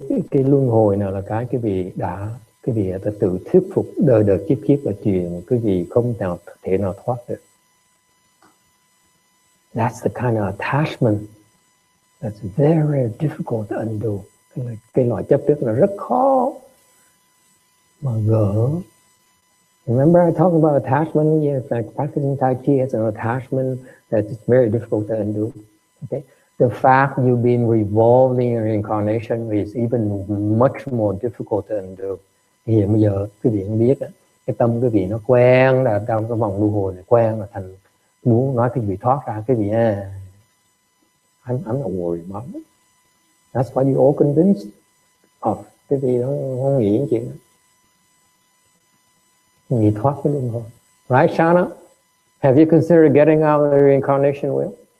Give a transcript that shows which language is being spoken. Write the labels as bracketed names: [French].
[Vietnamese] Cái luân hồi nào là cái quý vị đã, quý vị đã tự thuyết phục đời đời kiếp kiếp là chuyện quý vị không nào thể nào thoát được. [English] That's the kind of attachment that's very difficult to undo. [Vietnamese] cái loại chấp trước là rất khó mà gỡ. [English] Remember I talked about attachment? Yes, like practicing Tai Chi is an attachment that is very difficult to undo. Okay? The fact you've been revolving in reincarnation is even much more difficult to undo. [Vietnamese] Hiện bây giờ quý vị không biết, cái tâm quý vị nó quen là trong cái vòng luân hồi này, quen là thành muốn nói quý vị thoát ra, quý vị à, [English] I'm not worried about it. That's why you're all convinced of, [Vietnamese] quý vị không nghĩ những chuyện đó. Nghĩ thoát cái luân hồi. [English] Right, Shana? Have you considered getting out of the reincarnation wheel?